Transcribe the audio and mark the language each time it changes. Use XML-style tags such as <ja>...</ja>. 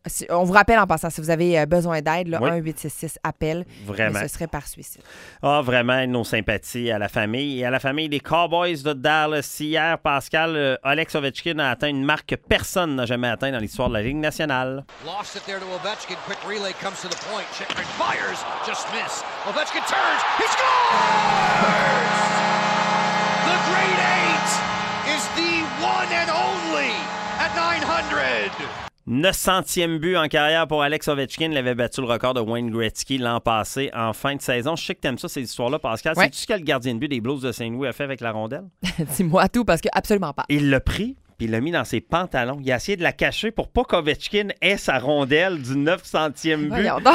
<fr>On vous rappelle en passant, si vous avez besoin d'aide, oui. 1-866-APPEL, ce serait par suicide. Ah, vraiment, nos sympathies à la famille et à la famille des Cowboys de Dallas. Hier, Pascal, Alex Ovechkin a atteint une marque que personne n'a jamais atteint dans l'histoire de la Ligue nationale.</fr> <en>Lost it there to Ovechkin. Quick relay comes to the point. Chikrin fires, just miss. Ovechkin turns, he scores! The Great Eight is the one and only at 900!</en> <fr>900e but en carrière pour Alex Ovechkin. Il avait battu le record de Wayne Gretzky l'an passé en fin de saison. Je sais que t'aimes ça, ces histoires-là, Pascal. Ouais. Sais-tu ce que le gardien de but des Blues de Saint-Louis a fait avec la rondelle? Dis-moi tout, parce que absolument pas. Il l'a pris, puis il l'a mis dans ses pantalons. Il a essayé de la cacher pour pas qu'Ovechkin ait sa rondelle du 900e but.</fr>